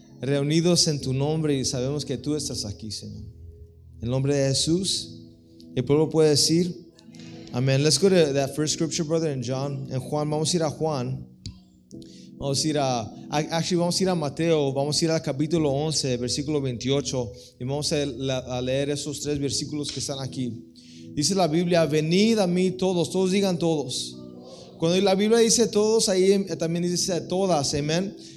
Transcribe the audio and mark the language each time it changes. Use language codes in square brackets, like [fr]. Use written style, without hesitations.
[es] Reunidos en tu nombre, y sabemos que tú estás aquí, Señor. En nombre de Jesús, el pueblo puede decir amén. [en] Let's go to that first scripture, brother, in John. [es] En Juan, vamos a ir a Juan. Vamos a ir a, actually, vamos a ir a Mateo. Vamos a ir al capítulo 11, versículo 28. Y vamos a leer esos tres versículos que están aquí. Dice la Biblia: venid a mí todos. Todos digan todos. Cuando la Biblia dice todos, ahí también dice todas, amén.